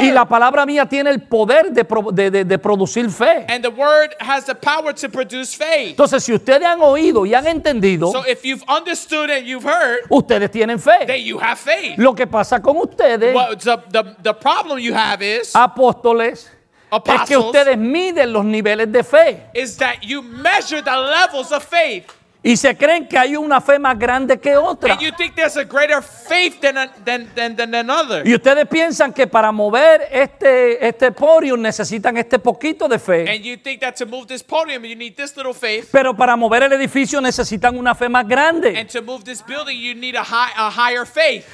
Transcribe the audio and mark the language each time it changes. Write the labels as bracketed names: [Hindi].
[Spanish] Y la palabra mía tiene el poder de producir fe. [English] And the word has the power to produce faith. [Spanish] Entonces, si ustedes han oído y han entendido, [English] so if you've understood and you've heard, [Spanish] ustedes tienen fe. [English] Then you have faith. [Spanish] Lo que pasa con ustedes, [English] the problem you have is, [Spanish] apóstoles, [English] apostles, [Spanish] es que ustedes miden los niveles de fe. [English] Is that you measure the levels of faith. [Spanish] Y se creen que hay una fe más grande que otra. [English] And you think there's a greater faith than another. [Spanish] Y ustedes piensan que para mover este podium necesitan este poquito de fe. [English] And you think that to move this podium you need this little faith. [Spanish] Pero para mover el edificio necesitan una fe más grande. [English] And to move this building you need a higher faith.